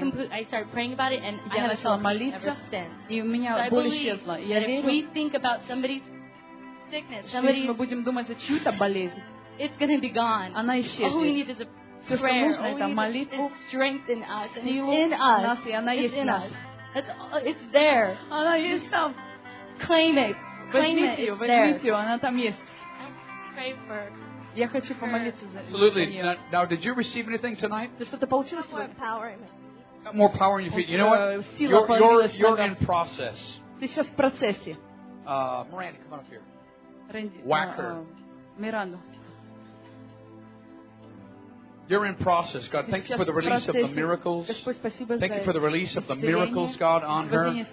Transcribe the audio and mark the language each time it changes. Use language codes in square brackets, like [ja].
[en] and I started praying about it, and I haven't felt pain ever since, so I believe that if we think about somebody's sickness, somebody's, it's going to be gone, all we need is a prayer, all we need is strength in us, and it's in us. It's there. [ru] Она есть там. [en] Claim it. Claim it. [ru] Возьмите ее, она там есть. [en] Pray for. [ru] Я хочу помолиться за нее. [en] Absolutely. Now, did you receive anything tonight? [ru] Ты что-то получила сегодня? [en] More power in it. More power in your feet. You know what? You're in process. [ru] Ты сейчас в процессе. [en] Miranda, come on up here. Randy. Whacker. Miranda. You're in process, God. Thank you for the release of the miracles. Thank you for the release of the miracles, God, on her.